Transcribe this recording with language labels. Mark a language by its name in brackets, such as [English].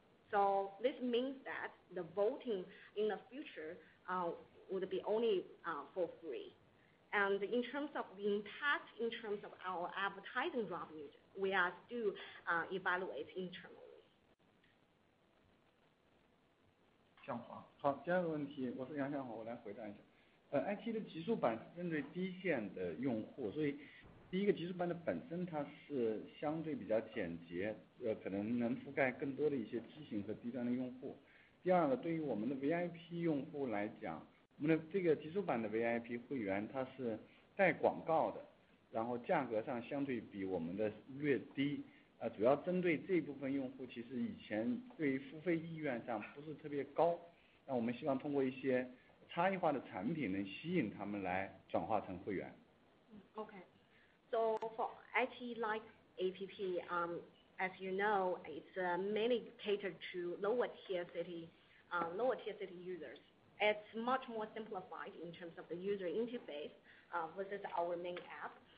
[English] So this means that the voting in the future would be only for free. And in terms of the impact, in terms of our advertising revenue, we are still evaluating internally. [Chinese] 向华，好，第二个问题，我是杨向华，我来回答一下。IQ 的极速版针对低线的用户，所以第一个极速版的本身它是相对比较简洁，可能能覆盖更多的一些机型和低端的用户。第二个，对于我们的 VIP 用户来讲，我们的这个极速版的 VIP 会员它是带广告的，然后价格上相对比我们的略低，主要针对这部分用户，其实以前对于付费意愿上不是特别高，那我们希望通过一些差异化的产品能吸引他们来转化成会员。 [English] OK, so for IQIYI APP, as you know, it's mainly catered to lower tier city users. It's much more simplified in terms of the user interface versus our main app.